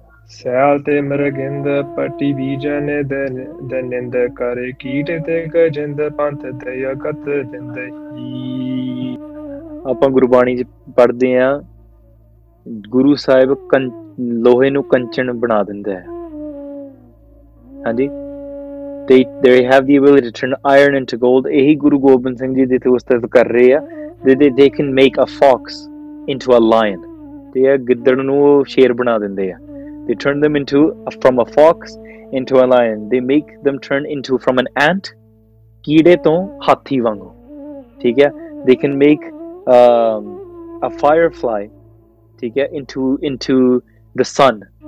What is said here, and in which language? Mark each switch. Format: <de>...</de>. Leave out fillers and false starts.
<pa>ਸਿਆਲ ਤੇ ਮਰਗਿੰਦ ਪੱਟੀ ਬੀਜਨ ਦਨਿੰਦ ਕਰ ਕੀਟ ਤੇ ਗਜਿੰਦ ਪੰਥ ਦਇਆ ਕਤ ਜਿੰਦ ਹੀ. ਆਪਾਂ ਗੁਰਬਾਣੀ ਚ ਪੜ੍ਹਦੇ ਹਾਂ ਗੁਰੂ ਸਾਹਿਬ ਲੋਹੇ ਨੂੰ ਕੰਚਨ ਬਣਾ ਦਿੰਦਾ ਹੈ.</pa> <en>ਹਾਂਜੀ, they have the ability to turn iron into gold.</en> <pa>ਇਹੀ ਗੁਰੂ ਗੋਬਿੰਦ ਸਿੰਘ ਜੀ ਦੇ ਉਸਤਤ ਕਰ ਰਹੇ ਆ.</pa> <en>they can make a fox into a lion.</en> <pa>ਤੇ ਇਹ ਗਿੱਦੜ ਨੂੰ ਸ਼ੇਰ ਬਣਾ ਦਿੰਦੇ ਆ.</pa> <en>They turn them into from a fox into a lion. They make them turn into from an ant,</en> <pa>ਕੀੜੇ ਤੋਂ ਹਾਥੀ ਵਾਂਗੂ.</pa> <en>ਠੀਕ ਹੈ. They can make a firefly, ਠੀਕ ਹੈ, into the sun.</en>